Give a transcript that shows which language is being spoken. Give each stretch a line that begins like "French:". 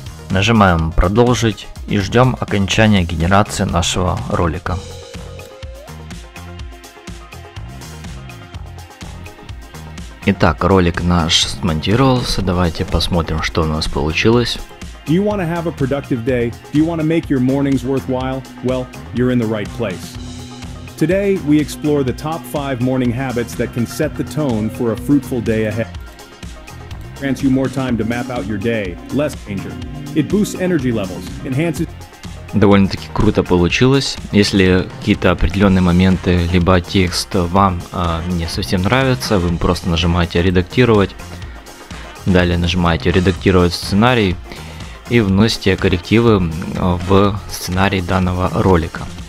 Russian: Нажимаем продолжить и ждем окончания генерации нашего ролика. Итак, ролик наш смонтировался. Давайте посмотрим, что у нас получилось.
English: Do you want to have a productive day? Do you want to make your mornings worthwhile? Well, you're in the right place. Today, we explore the top 5 morning habits that can set the tone for a fruitful day ahead. Grants you more time to map out your day, less danger. It boosts energy levels, enhances...
Russian: Довольно-таки круто получилось. Если какие-то определенные моменты, либо текст вам не совсем нравится, вы просто нажимаете «Редактировать». Далее нажимаете «Редактировать сценарий». И вносите коррективы в сценарий данного ролика.